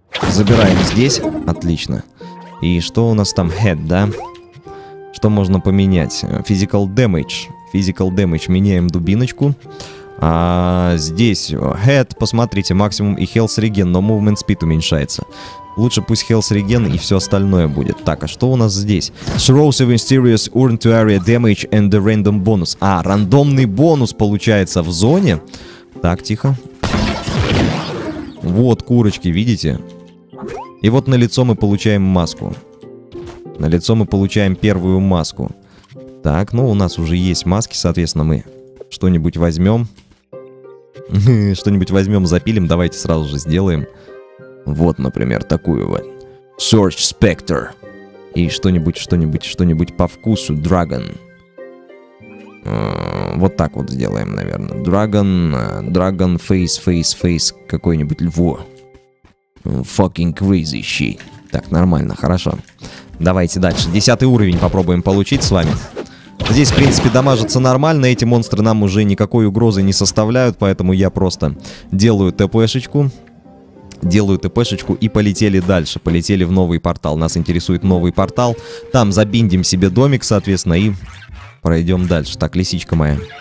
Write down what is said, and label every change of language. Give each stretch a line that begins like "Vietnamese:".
Russian: Забираем здесь. Отлично. И что у нас там? Head, да? Что можно поменять?
English: Physical damage. Physical damage.
Russian: Меняем дубиночку. А здесь head, посмотрите, максимум и health regen, но movement speed уменьшается. Лучше пусть health regen и все остальное будет. Так, а что у нас здесь?
English: Throws of mysterious urn to area damage and a random bonus.
Russian: А, рандомный бонус получается в зоне. Так, тихо. Вот курочки, видите? И вот на лицо мы получаем маску. На лицо мы получаем первую маску. Так, ну у нас уже есть маски, соответственно, мы что-нибудь возьмем. Что-нибудь возьмем, запилим. Давайте сразу же сделаем. Вот, например, такую вот. Search Spectre. И что-нибудь по вкусу. Dragon. Вот так вот сделаем, наверное.
English: Dragon. Dragon face.
Russian: Какой-нибудь льво.
English: Fucking crazy shit.
Russian: Так, нормально, хорошо. Давайте дальше. 10 уровень попробуем получить с вами. Здесь, в принципе, дамажится нормально. Эти монстры нам уже никакой угрозы не составляют, поэтому я просто делаю ТП-шечку. Делаю ТП-шечку и полетели дальше. Полетели в новый портал. Нас интересует новый портал. Там забиндим себе домик, соответственно, и пройдем дальше. Так, лисичка моя.